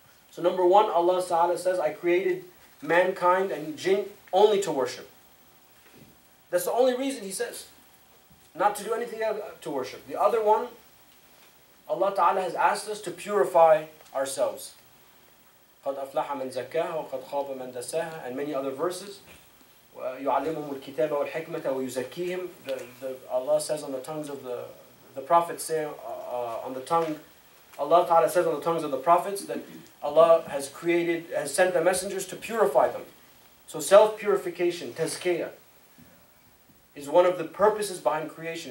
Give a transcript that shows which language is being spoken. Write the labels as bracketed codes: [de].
[en] So number one, Allah Ta'ala says, I created mankind and jinn only to worship. That's the only reason he says. Not to do anything to worship. The other one, Allah Ta'ala has asked us to purify ourselves. [ar] قَدْ أَفْلَحَ مَنْ زَكَّاهَا وَقَدْ خَابَ مَنْ دَسَّاهَا [en] And many other verses. [ar] يُعَلِّمُهُمُ الْكِتَابَ وَالْحِكْمَةَ وَيُزَكِّيهِمْ [en] Allah says on the tongues of the prophets say on the tongue, Allah Ta'ala says on the tongues of the prophets that Allah has sent the messengers to purify them. So self-purification, tazkiyah, is one of the purposes behind creation.